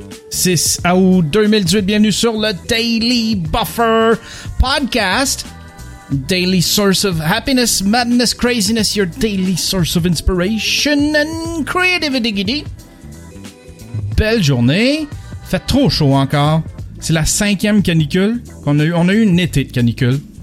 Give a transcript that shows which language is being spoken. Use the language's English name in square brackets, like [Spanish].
[French] C'est août 2018, bienvenue sur le Daily Buffer Podcast. [English] Daily source of happiness, madness, craziness, your daily source of inspiration and creativity. [French] Belle journée. Fait trop chaud encore. C'est la cinquième canicule qu'on a eu. On a eu une été de canicule.